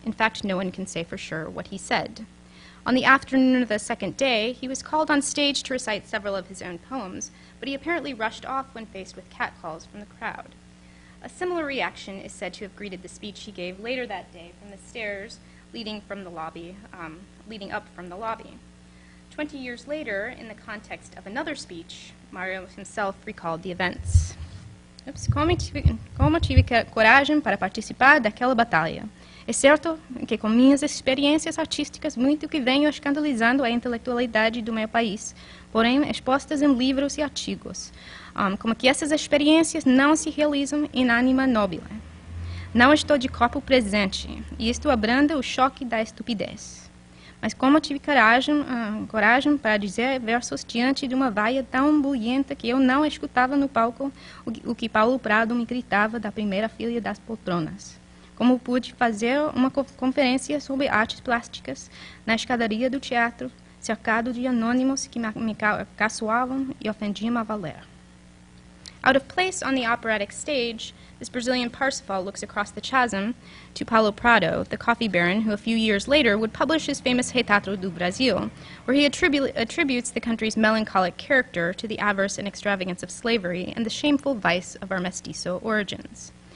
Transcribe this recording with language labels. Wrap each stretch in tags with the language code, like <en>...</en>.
<en>In fact, no one can say for sure what he said. On the afternoon of the second day, he was called on stage to recite several of his own poems, but he apparently rushed off when faced with catcalls from the crowd. A similar reaction is said to have greeted the speech he gave later that day from the stairs leading from the lobby, leading up from the lobby. 20 years later, in the context of another speech, Mario himself recalled the events.</en> <pt>Oops, como tive coragem para participar daquela batalha? É certo que com minhas experiências artísticas muito que venho escandalizando a intelectualidade do meu país, porém expostas em livros e artigos, como que essas experiências não se realizam em anima nobile. Não estou de corpo presente, e isto abranda o choque da estupidez. Mas como tive coragem para dizer versos diante de uma vaia tão bulhenta que eu não escutava no palco o que Paulo Prado me gritava da primeira fila das poltronas. Como pude fazer uma conferência sobre artes plásticas na escadaria do teatro, cercado de anônimos que me caçoavam e ofendiam a valer.</pt> <en>Out of place on the operatic stage, this Brazilian Parsifal looks across the chasm to Paulo Prado, the coffee baron who a few years later would publish his famous Retrato do Brasil, where he attributes the country's melancholic character to the avarice and extravagance of slavery and the shameful vice of our mestizo origins.</en>